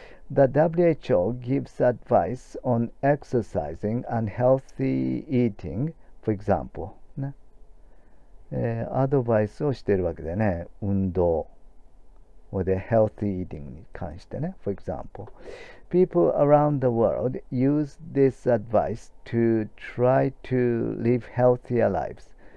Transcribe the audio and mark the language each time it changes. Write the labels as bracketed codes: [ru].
[en] The WHO gives advice on exercising and healthy eating, for example。 [ja] アドバイスをしているわけでね。運動。で、 [en] healthy eating [ja] に関してね。 [en] For example, people around the world use this advice to try to live healthier lives.